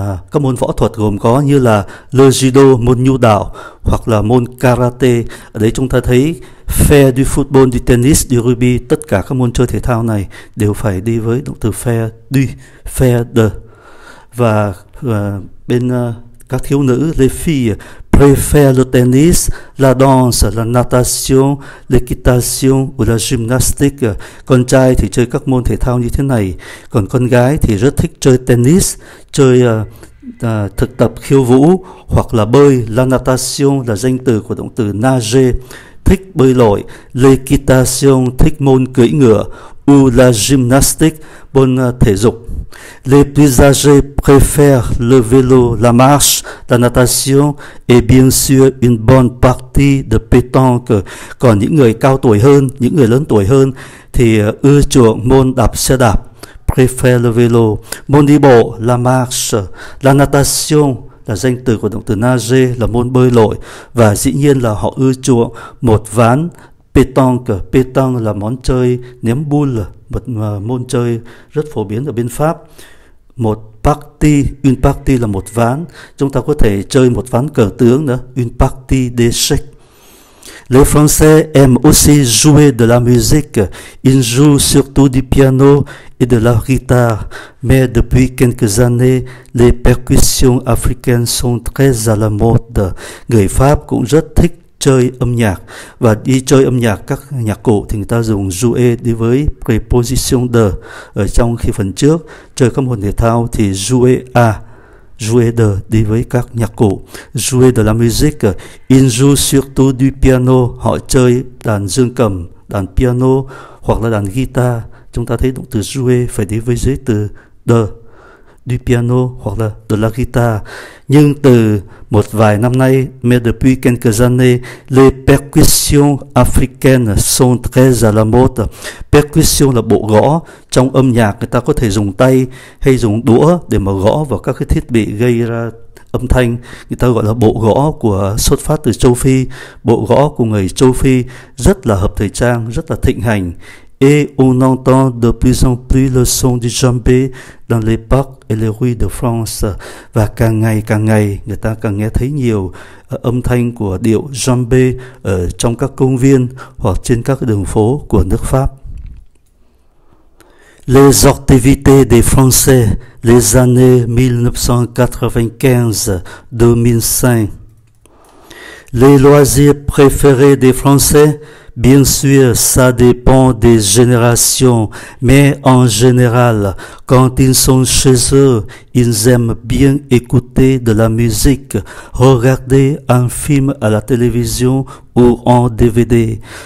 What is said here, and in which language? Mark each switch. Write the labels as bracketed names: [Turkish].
[Vietnamese] Các môn võ thuật gồm có như là le judo, môn nhu đạo, hoặc là môn karate. Ở đấy chúng ta thấy [French] faire du football, du tennis, du rugby, [Vietnamese] tất cả các môn chơi thể thao này đều phải đi với động từ [French] faire du, faire de. [Vietnamese] Và bên các thiếu nữ, [French] les filles préfèrent le tennis, la danse, la natation, l'équitation ou la gymnastique. [Vietnamese] Con trai thì chơi các môn thể thao như thế này, còn con gái thì rất thích chơi tennis, chơi thực tập khiêu vũ, hoặc là bơi. La natation là danh từ của động từ nager, thích bơi lội. L'équitation, thích môn cưỡi ngựa. [French] Ou la gymnastique, [Vietnamese] môn thể dục. [French] Les plus âgés préfèrent le vélo, la marche, la natation et bien sûr une bonne partie de pétanque. [Vietnamese] Còn những người cao tuổi hơn, những người lớn tuổi hơn thì ưa chuộng môn đạp xe đạp, [French] préfèrent le vélo, [Vietnamese] môn đi bộ, [French] la marche, la natation [Vietnamese] là danh từ của động từ nager, là môn bơi lội, và dĩ nhiên là họ ưa chuộng một ván pétanque. Pétanque là món chơi ném boule, một môn chơi rất phổ biến ở bên Pháp. Một partie, [French] une partie [Vietnamese] là một ván. Chúng ta có thể chơi một ván cờ tướng nữa, [French] une partie d'échecs. Les Français aiment aussi jouer de la musique. Ils jouent surtout du piano et de la guitare. Mais depuis quelques années, les percussions africaines sont très à la mode. [Vietnamese] Người Pháp cũng rất thích chơi âm nhạc, và đi chơi âm nhạc các nhạc cụ thì người ta dùng jouer đi với preposition de ở trong khi phần trước. Chơi các môn thể thao thì [French] jouer à, jouer de [Vietnamese] đi với các nhạc cụ. [French] Jouer de la musique, ils jouent surtout du piano, [Vietnamese] họ chơi đàn dương cầm, đàn piano hoặc là đàn guitar. Chúng ta thấy động từ jouer phải đi với giới từ de, [French] du piano [Vietnamese] hoặc là [French] de la guitar. [Vietnamese] Nhưng từ một vài năm nay, [French] mais depuis quelques années, les percussions africaines sont très à la mode. [Vietnamese] Percussion là bộ gõ. Trong âm nhạc, người ta có thể dùng tay hay dùng đũa để mà gõ vào các cái thiết bị gây ra âm thanh. Người ta gọi là bộ gõ của xuất phát từ châu Phi. Bộ gõ của người châu Phi rất là hợp thời trang, rất là thịnh hành. [French] Et on entend de plus en plus le son du djembé dans les parcs et les rues de France. [Vietnamese] Và càng ngày người ta càng nghe thấy nhiều âm thanh của điệu djembé ở trong các công viên hoặc trên các đường phố của nước Pháp. [French] Les activités des Français les années 1995-2005. Les loisirs préférés des Français Bien sûr, ça dépend des générations, mais en général, quand ils sont chez eux, ils aiment bien écouter de la musique, regarder un film à la télévision ou en DVD.